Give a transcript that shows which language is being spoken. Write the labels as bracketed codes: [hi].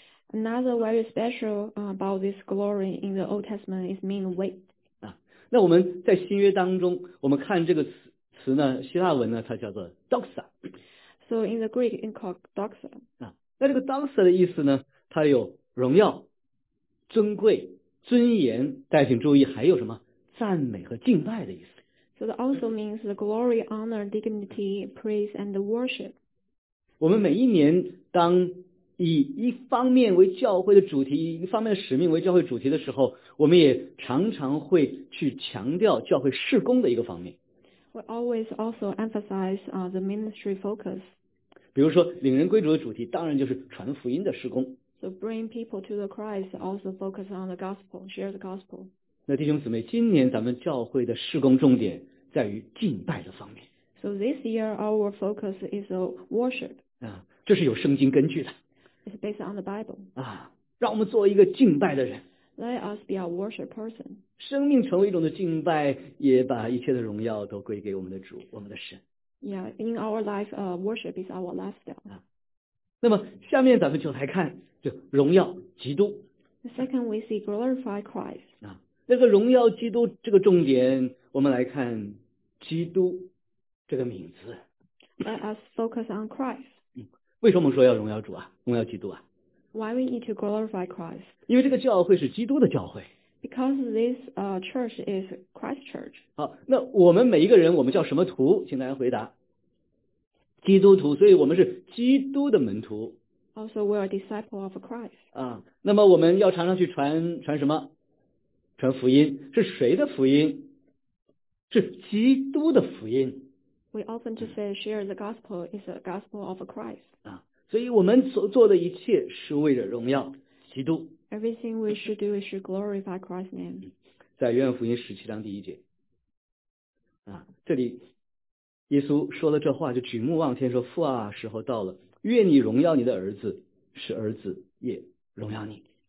[en] Another very special about this glory in the Old Testament is mean weight. [zh] 那我们在新约当中，我们看这个词呢，希腊文呢，它叫做 doxa。 [en] So in the Greek, it's called doxa. [zh] 那这个 doxa 的意思呢，它有荣耀、尊贵、尊严，但请注意还有什么赞美和敬拜的意思。 [en] So it also means the glory, honor, dignity, praise, and worship. [zh] 我们每一年当以一方面为教会的主题，一方面的使命为教会主题的时候，我们也常常会去强调教会事工的一个方面。 [en] We always also emphasize the ministry focus. [zh] 比如说，领人归主的主题当然就是传福音的事工。 [en] So bring people to the Christ also focus on the gospel, share the gospel. [zh] 那弟兄姊妹，今年咱们教会的事工重点在于敬拜的方面。 [en] So this year our focus is worship. [zh] 啊，这是有圣经根据的。 [en] It's based on the Bible. [zh] 啊，让我们做一个敬拜的人。 [en] Let us be a worship person. [zh] 生命成为一种的敬拜，也把一切的荣耀都归给我们的主，我们的神。 [en] Yeah, in our life, worship is our lifestyle. [zh] 啊，那么下面咱们就来看，就荣耀基督。 [en] The second we see glorify Christ. [zh] 啊，那个荣耀基督这个重点，我们来看基督这个名字。 [en] Let us focus on Christ. [zh] 嗯，为什么我们说要荣耀主啊，荣耀基督啊？ [en] Why we need to glorify Christ? [zh] 因为这个教会是基督的教会。 [en] Because this church is Christ church. [zh] 好，那我们每一个人，我们叫什么徒？请大家回答。基督徒，所以我们是基督的门徒。 [en] Also, we are disciple of Christ. [zh] 啊，那么我们要常常去传什么？传福音，是谁的福音？是基督的福音。 [en] We often to say share the gospel is the gospel of Christ. 啊。 [zh] 所以我们所做的一切是为了荣耀基督。 [en] Everything we should do is to glorify Christ's name. [zh] 在约翰福音十七章第一节，啊，这里耶稣说了这话，就举目望天说：“父啊，时候到了，愿你荣耀你的儿子，使儿子也荣耀你。”